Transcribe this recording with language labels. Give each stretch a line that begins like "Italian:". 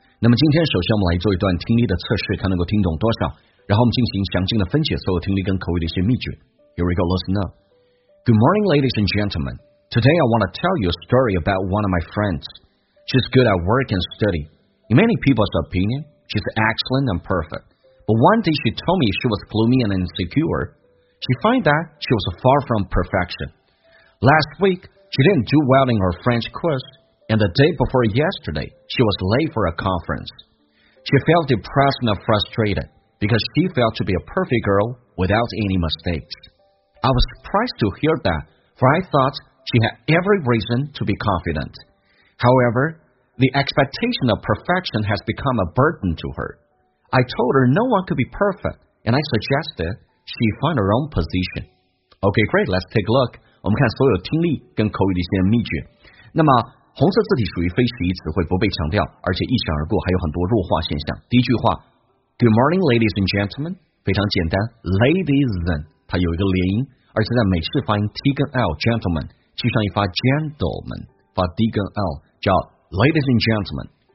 Chinese: 那么今天首先我们来做一段听力的测试，看能够听懂多少，然后我们进行详尽的分解所有听力跟口语的一些秘诀。
English: Here we go, listen up. Good morning, ladies and gentlemen. Today I want to tell you a story about one of my friends. She's good at work and study. In many people's opinion, she's excellent and perfect. But one day she told me she was gloomy and insecure. She found that she was far from perfection. Last week, she didn't do well in her French course, and the day before yesterday, she was late for a conference. She felt depressed and frustrated, because she felt to be a perfect girl without any mistakes. I was surprised to hear that, for I thought she had every reason to be confident. However, the expectation of perfection has become a burden to her. I told her no one could be perfect, and I suggested she find her own position. Okay, great, let's take a look.
Chinese: 我们看所有听力跟口语的一些秘诀。那么红色字体属于非习义词汇，不被强调，而且一闪而过，还有很多弱化现象。第一句话
English: Good morning ladies and gentlemen，
Chinese: 非常简单， ladies and 它有一个连音，而且在美式发音 T 跟 L gentlemen 记上一发 gentlemen 发 D 跟 L 叫 ladies and gentlemen。